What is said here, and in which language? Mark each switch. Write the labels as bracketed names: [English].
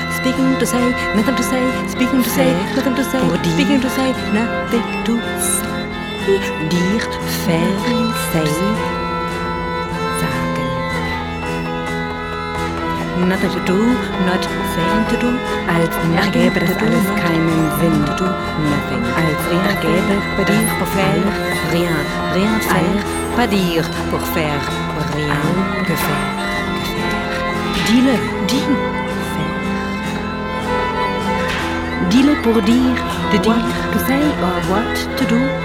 [English] speaking to say, nothing to say, speaking to say, nothing to say, speaking to say, nothing to say. [French] Dire, faire, say, [German] sagen. [English] Nothing to do, not saying to do, [German] als ergäbe das alles keinen Sinn. [English] To do, nothing. [French] Als rien gäbe, pas dire, pour faire, rien, rien faire, pas dire, pour faire, rien, que faire. Dis-le, dis. Dis-le pour dire, de dire, [English] what to say or what to do.